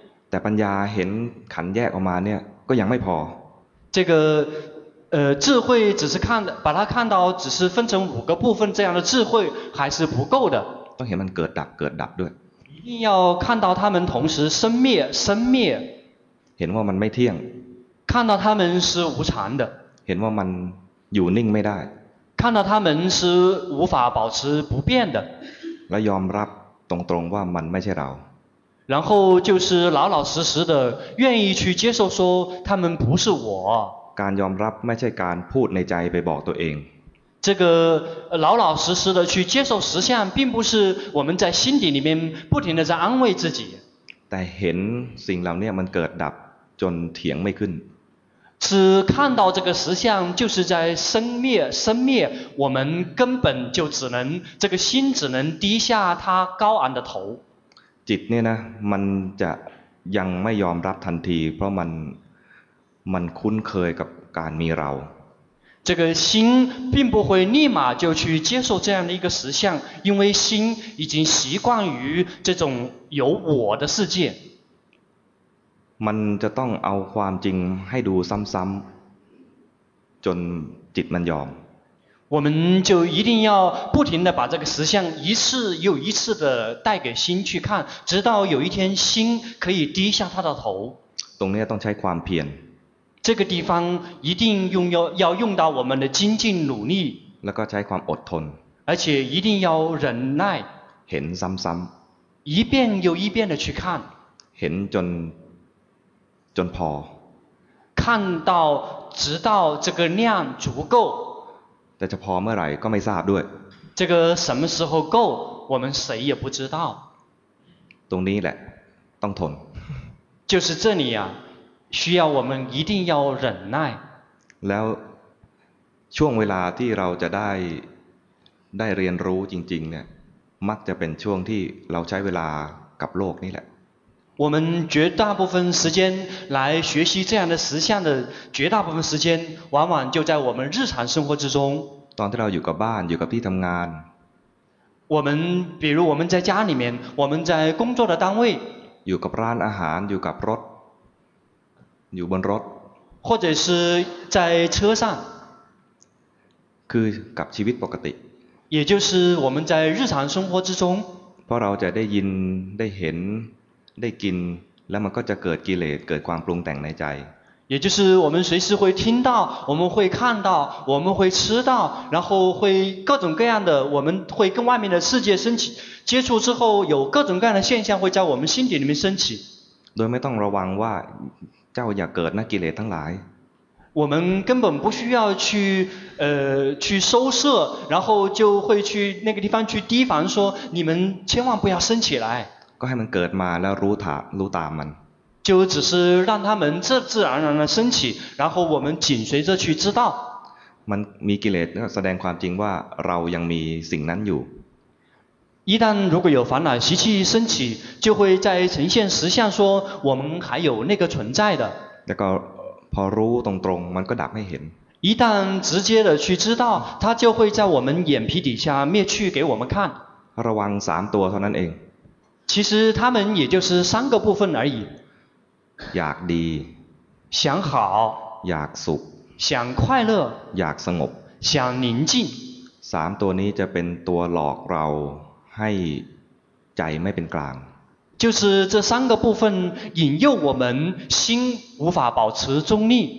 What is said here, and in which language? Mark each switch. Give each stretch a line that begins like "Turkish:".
Thai: แต่ปัญญาเห็นขันแยกออกมาเนี่ยก็ยังไม่พอ
Chinese: 这个智慧只是看把它看到只是分成五个部分这样的智慧还是不够的
Thai: ต้องเห็นมันเกิดดับเกิดดับด้วย
Chinese: 一定要看到它们同时生灭生灭
Thai: เห็นว่ามันไม่เที่ยง
Chinese: 看到它们是无常的
Thai: เห็นว่ามันอยู่นิ่งไม่ได้
Chinese: 看到它们是无法保持不变的
Thai: และยอมรับตรงๆว่ามันไม่ใช่เรา
Chinese: 然后就是老老实实的愿意去接受说他们不是我
Thai: การยอมรับไม่ใช่การพูดในใจไปบอกตัวเอง
Chinese: 这个老老实实的去接受实相并不是我们在心底里面不停的在安慰自己
Thai: แต่เห็นสิ่งเหล่านี้มันเกิดดับจนเถียงไม่ขึ้น
Chinese: 只看到这个实相就是在生灭生灭我们根本就只能这个心只能低下他高昂的头
Thai: จิตเนี่ยนะมันจะยังไม่ยอมรับทันทีเพราะมันคุ้นเคยกับการมีเรา
Chinese: 这个心并不会立马就去接受这样的一个实相因为心已经习惯于这种有我的世界
Thai: มันจะต้องเอาความจริงให้ดูซ้ำๆจนจิตมันยอม
Chinese: 我们就一定要不停地把这个实相一次又一次地带给心去看直到有一天心可以低下他的头
Thai: ตรงนี้ต้องใช้ความเพียร
Chinese: 这个地方一定要用到我们的精进努力
Thai: แล้วก็ใช้ความอดทน
Chinese: 而且一定要忍耐
Thai: เห็นซ้ำ
Chinese: ๆ一遍又一遍地去看
Thai: เห็นจนพ
Chinese: อ看到直到这个量足够
Thai: แต่จะพอเมื่อไหร่ก็ไม่ทราบด้วย
Chinese: 这个什么时候够我们谁也不知道
Thai: ตรงนี้แหละต้องทน
Chinese: 就是这里啊需要我们一定要忍耐
Thai: แล้วช่วงเวลาที่เราจะได้เรียนรู้จริงๆเนี่ยมักจะเป็นช่วงที่เราใช้เวลากับโลกนี่แหละ
Chinese: 我们绝大部分时间来学习这样的实相的绝大部分时间往往就在我们日常生活之中
Thai: ตอนที่เราอยู่กับบ้านอยู่กับที่ทำงาน
Chinese: 我们比如我们在家里面我们在工作的单位
Thai: อยู่กับร้านอาหารอยู่กับรถอยู่บนรถ
Chinese: 或者是在车上
Thai: คือกับชีวิตปกติ
Chinese: 也就是我们在日常生活之中
Thai: เพราะเราจะได้ยินได้เห็นได้กินแล้วมันก็จะเกิดกิเลสเกิดความปรุงแต่งในใจ
Chinese: 也就是我们随时会听到，我们会看到，我们会吃到，然后会各种各样的，我们会跟外面的世界升起接触之后，有各种各样的现象会在我们心底里面升起。对，
Thai: ไม่ต้องระวังว่าเจ้าอย่าเกิดนะกิเลสทั้งหลาย。
Chinese: 我们根本不需要去去收摄，然后就会去那个地方去提防说，你们千万不要升起来。
Thai: ก็ให้มันเกิดมาแล้วรู้ตามมัน。
Chinese: 就只是让他们自自然然的升起，然后我们紧随着去知道。
Thai: มันมีกิเลสแสดงความจริงว่าเรายังมีสิ่งนั้นอยู่。
Chinese: 一旦如果有烦恼习气升起，就会在呈现实相说我们还有那个存在的。
Thai: แล้วก็พอรู้ตรงตรงมันก็ดับให้เห็น。
Chinese: 一旦直接的去知道，它就会在我们眼皮底下灭去给我们看。
Thai: ระวังสามตัวเท่านั้นเอง。
Chinese: 其实他们也就是三个部分而已。
Thai: อยากดี。
Chinese: 想好。
Thai: อยากสุข。
Chinese: 想快乐。
Thai: อยากสงบ。
Chinese: 想宁静。
Thai: สามตัวนี้จะเป็นตัวหลอกเราให้ใจไม่เป็นกลาง
Chinese: 就是这三个部分引诱我们心无法保持中立